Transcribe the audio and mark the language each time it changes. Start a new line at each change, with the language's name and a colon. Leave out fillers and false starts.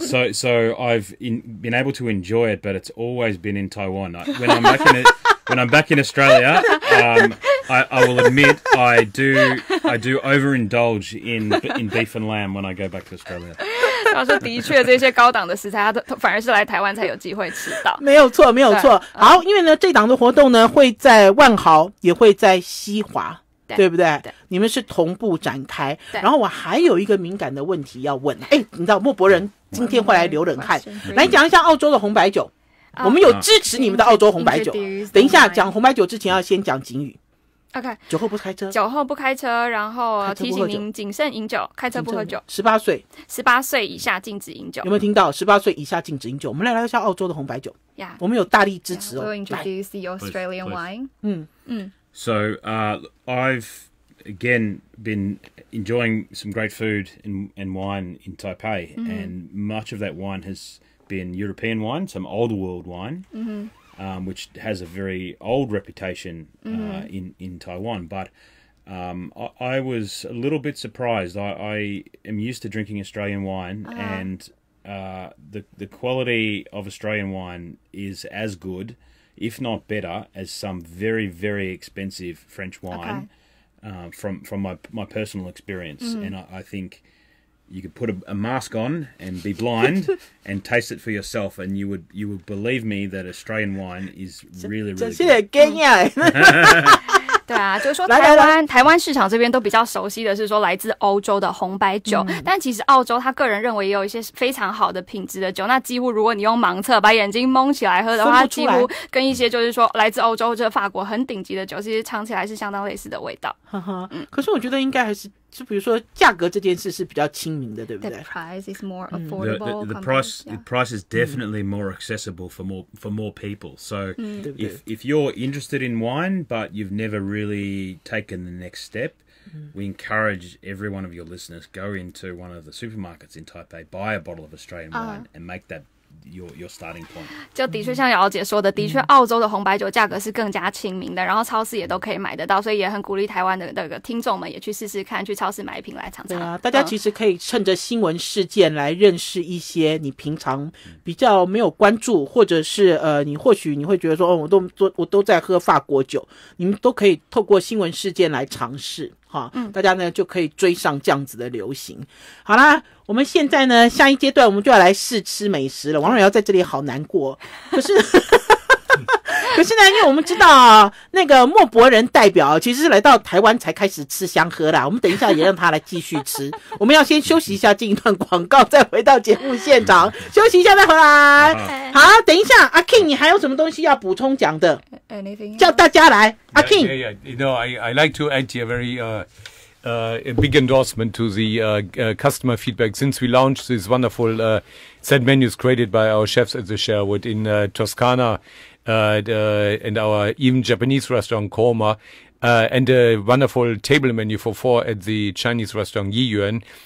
English: So I've been able to enjoy it, but it's always been in Taiwan. When I'm back in Australia, I will admit I do overindulge in beef and lamb when I go back to Australia.
Chinese: 他说的确这些高档的食材他反而是来台湾才有机会吃到。没有错，没有错。好，因为呢这档的活动呢会在万豪也会在西华。对不对？对，你们是同步展开。然后我还有一个敏感的问题要问。哎，你知道莫伯仁今天会来流冷汗。来讲一下澳洲的红白酒。我们有支持你们的澳洲红白酒。等一下讲红白酒之前要先讲警语。 OK，酒后不开车。酒后不开车，然后提醒您谨慎饮酒，开车不喝酒。 18岁， 18岁以下禁止饮酒。有没有听到？ 18岁以下禁止饮酒。我们来聊一下澳洲的红白酒。
English: Yeah.
Chinese: 我们有大力支持哦。
English: We'll introduce the Australian wine. So I've again been enjoying some great food and wine in Taipei, and much of that wine has been European wine, some older world wine. Which has a very old reputation in Taiwan. But I was a little bit surprised. I am used to drinking Australian wine, and the quality of Australian wine is as good, if not better, as some very, very expensive French wine from my personal experience. And I think you could put a mask on and be blind and taste it for yourself, and you would believe me that Australian wine is really, really good.
Chinese: 对啊，就是说台湾市场这边都比较熟悉的是说来自欧洲的红白酒，但其实澳洲他个人认为也有一些非常好的品质的酒，那几乎如果你用盲测把眼睛蒙起来喝的话，几乎跟一些就是说来自欧洲或者法国很顶级的酒其实尝起来是相当类似的味道。可是我觉得应该还是就比如说价格这件事是比较亲民的，对不对
English: ？The price is more affordable. The price,、yeah. the price is definitely more accessible for more people. So、mm. if you're interested in wine but you've never really taken the next step,、mm. we encourage every one of your listeners go into one of the supermarkets in Taipei, buy a bottle of Australian wine,、and make that. Your starting point.
Chinese: 就的确像姚姐说的，的确澳洲的红白酒价格是更加亲民的，然后超市也都可以买得到，所以也很鼓励台湾的这个听众们也去试试看，去超市买一瓶来尝尝。对啊，大家其实可以趁着新闻事件来认识一些你平常比较没有关注，或者是你或许你会觉得说，哦，我都在喝法国酒，你们都可以透过新闻事件来尝试。哈，大家呢就可以追上这样子的流行。好啦，我们现在呢下一阶段我们就要来试吃美食了。王蕊要在这里好难过，可是呢，因为我们知道那个莫伯人代表其实是来到台湾才开始吃香喝啦，我们等一下也让他来继续吃。我们要先休息一下，进一段广告，再回到节目现场休息一下再回来。好，等一下，阿 King， 你还有什么东西要补充讲的？
English: Anything？
Chinese: 叫大家来，
English: yeah,
Chinese: 阿 King。
English: Yeah, yeah. You know, I like to add a very a big endorsement to the customer feedback since we launched this wonderful set menus created by our chefs at the Sherwood in Toscana. And our even Japanese restaurant Korma, and a wonderful table menu for four at the Chinese restaurant Yiyuan.